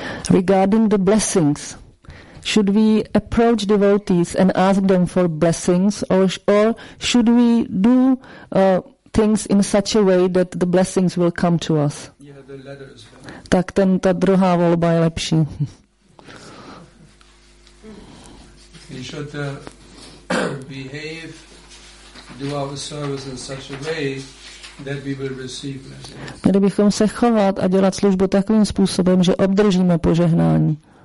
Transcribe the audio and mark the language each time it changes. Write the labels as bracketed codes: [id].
[en] Regarding the blessings, should we approach devotees and ask them for blessings, or should we do things in such a way that the blessings will come to us? Yeah, the letter is better. [cs] Tak ten ta druhá volba je lepší. [en] We should behave, do our service in such a way that we will receive blessings. [cs] Měli bychom se chovat a dělat službu takovým způsobem, že obdržíme požehnání.